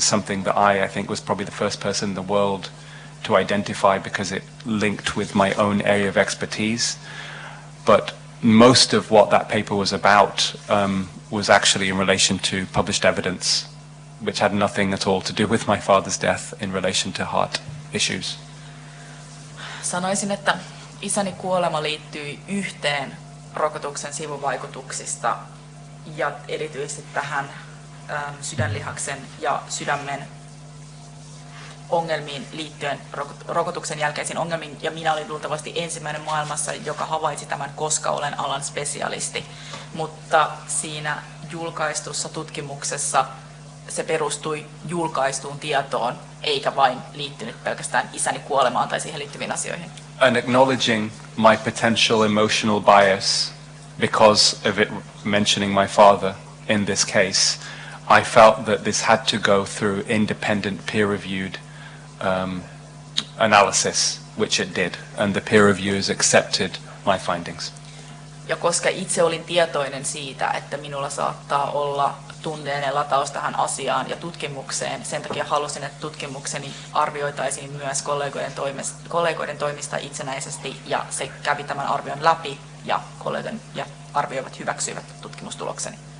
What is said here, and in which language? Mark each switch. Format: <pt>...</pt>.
<en>It's something that I think was probably the first person in the world to identify because it linked with my own area of expertise. But most of what that paper was about was actually in relation to published evidence, which had nothing at all to do with my father's death in relation to heart issues.</en> <fi>Sanoisin, että isäni kuolema liittyy yhteen rokotuksen sivuvaikutuksista ja erityisesti tähän sydänlihaksen ja sydämen ongelmiin liittyen rokotuksen jälkeisiin ongelmiin, ja minä olin luultavasti ensimmäinen maailmassa, joka havaitsi tämän, koska olen alan spesialisti. Mutta siinä julkaistussa tutkimuksessa se perustui julkaistuun tietoon, eikä vain liittynyt pelkästään isäni kuolemaan tai siihen liittyviin asioihin.</fi> <en>And acknowledging my potential emotional bias because of it mentioning my father in this case, I felt that this had to go through independent peer-reviewed analysis, which it did, and the peer reviewers accepted my findings.</en> <fi>Ja koska itse olin tietoinen siitä, että minulla saattaa olla tunteinen lataus tähän asiaan ja tutkimukseen, sen takia halusin, että tutkimukseni arvioitaisiin myös kollegoiden toimista itsenäisesti, ja se kävi tämän arvion läpi, ja arvioivat hyväksyivät tutkimustulokseni.</fi>